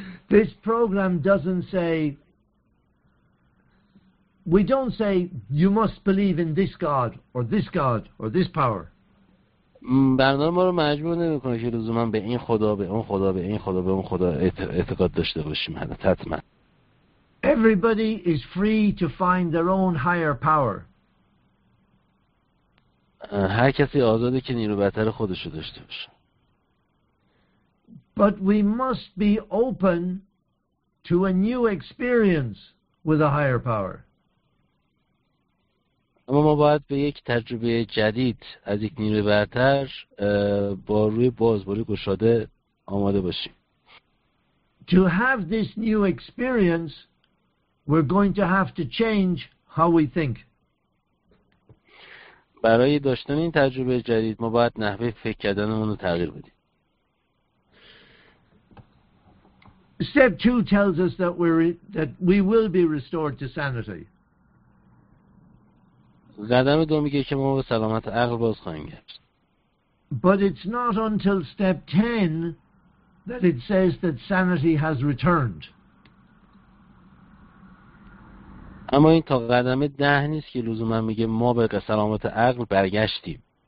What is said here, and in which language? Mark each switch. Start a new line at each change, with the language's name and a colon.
English: This program doesn't say We don't say you must believe in this God or this God or this power.
Persian: برنامه رو مجبور نمی‌کنه که لزوما به این خدا، به اون خدا، به این خدا، به اون خدا اعتقاد داشته باشیم. حتما.
English: Everybody is free to find their own higher power.
Persian: هر کسی آزاده که نیرو برتر خودش رو داشته باشه.
English: But we must be open to a new experience with a higher power.
Persian: اما ما باید به یک تجربه جدید از یک نیروی برتر با روی باز، با روی گشاده آماده باشیم.
English: To have this new experience, we're going to have to change how we think.
Persian: برای داشتن این تجربه جدید ما باید نحوه فکر کردنمون رو تغییر بدیم.
English: Step 2 tells us that we will be restored to sanity.
Persian: قدم دو میگه که ما به سلامت عقل باز خواهیم گشت.
English: But it's not until step 10 that it says that sanity has returned.
Persian: اما این تا قدم 10 نیست که لزوما میگه ما به سلامت عقل برگشتیم.